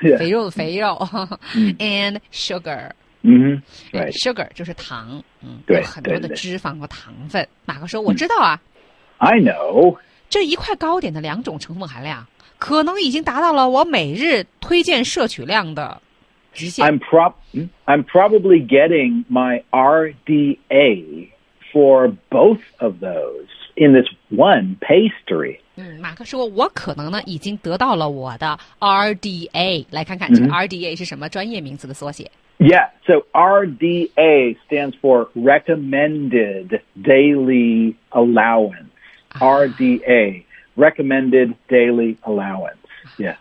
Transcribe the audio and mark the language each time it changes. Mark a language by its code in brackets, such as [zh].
[zh] 肥肉的肥肉。 [en] And sugar. Right. [zh] Sugar 就是糖。对。有很多的脂肪和糖分。马克说：“我知道啊。 [en] ”I know. [zh] 这一块糕点的两种成分含量，可能已经达到了我每日推荐摄取量的极限。 [en] I'm probably getting my RDA for both of those. In this one pastry. [zh] 马克说我可能呢已经得到了我的 RDA. 来看看这个 RDA 是什么专业名词的缩写。 [en] Yeah, so RDA stands for Recommended Daily Allowance. RDA, Recommended Daily Allowance. Yeah.